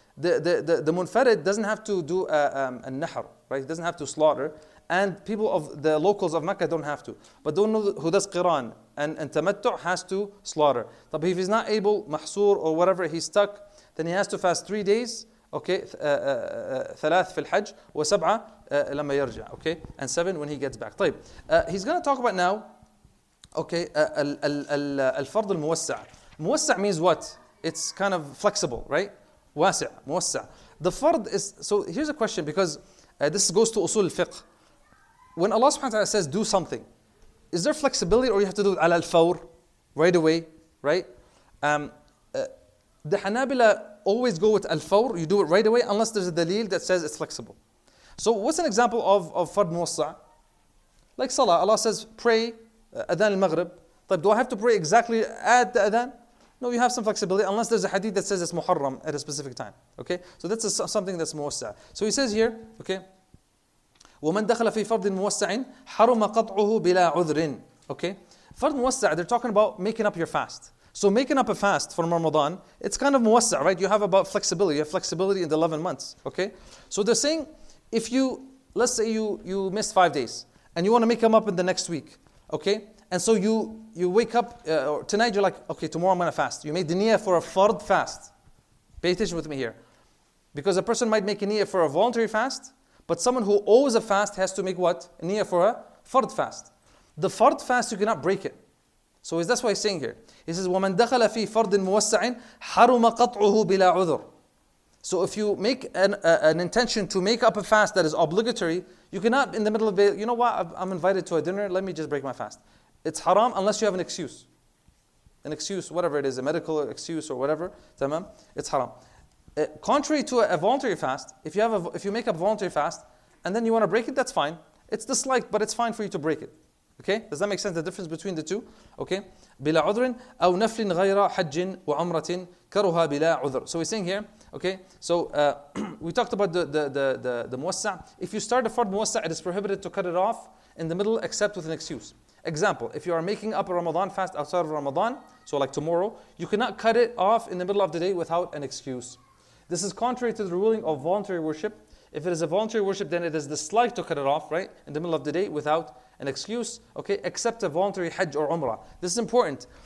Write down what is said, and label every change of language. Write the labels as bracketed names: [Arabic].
[English] The Munfarid doesn't have to do a Nahr, right? He doesn't have to slaughter. And people of the locals of Mecca don't have to. But the one who does Qiran and Tamattu' has to slaughter. But if he's not able, Mahsoor or whatever, he's stuck, then he has to fast 3 days. Okay, [Arabic] ثلاث في الحج وسبعة لما يرجع. [English] Okay, and seven when he gets back. طيب, he's going to talk about now. Okay, [Arabic] الفرض الموسع. [English] موسع means what? It's kind of flexible, right? [Arabic] واسع, موسع. [English] The فرض is, so here's a question, because this goes to أصول الفقه. When Allah subhanahu wa ta'ala says do something, is there flexibility or you have to do it [Arabic] على الفور, [English] right away, right? The Hanabila always go with al-fawr, you do it right away, unless there's a dalil that says it's flexible. So what's an example of fard muwassa'? Like salah, Allah says, pray adhan al-maghrib. طيب, do I have to pray exactly at the adhan? No, you have some flexibility, unless there's a hadith that says it's muharram at a specific time. Okay, so that's something that's muwassa'. So he says here, okay, [Arabic] وَمَنْ دَخَلَ فِي فَرْضٍ مُوَسَّعٍ حَرُمَ قَطْعُهُ بِلَا عُذْرٍ. [English] Okay, fard muwassa', they're talking about making up your fast. So making up a fast for Ramadan, it's kind of muwassa, right? You have about flexibility. You have flexibility in the 11 months, okay? So they're saying, if you, let's say you miss 5 days, and you want to make them up in the next week, okay? And so you wake up, or tonight you're like, okay, tomorrow I'm going to fast. You made the niyyah for a fard fast. Pay attention with me here. Because a person might make a niyyah for a voluntary fast, but someone who owes a fast has to make what? A niyyah for a fard fast. The fard fast, you cannot break it. So that's why he's saying here. He says, [Arabic] وَمَنْ دَخَلَ فِي فَرْضٍ مُوَسَّعٍ حَرُمَ قَطْعُهُ بِلَا عُذُرٍ. [English] So if you make an intention to make up a fast that is obligatory, you cannot in the middle of it, you know what, I'm invited to a dinner, let me just break my fast. It's haram unless you have an excuse. An excuse, whatever it is, a medical excuse or whatever, tamam, it's haram. Contrary to a voluntary fast, if you make up a voluntary fast and then you want to break it, that's fine. It's disliked, but it's fine for you to break it. Okay, does that make sense, the difference between the two? Okay, [Arabic] بلا عذر أو نفل غير حج وعمرة كرها بلا عذر. [English] So we're saying here, Okay, so we talked about the muwassa'. If you start a fard muwassa', it is prohibited to cut it off in the middle except with an excuse. Example, if you are making up a Ramadan fast outside of Ramadan, so like tomorrow, you cannot cut it off in the middle of the day without an excuse. This is contrary to the ruling of voluntary worship. If it is a voluntary worship, then it is disliked to cut it off, right, in the middle of the day without an excuse, okay, except a voluntary Hajj or Umrah. This is important.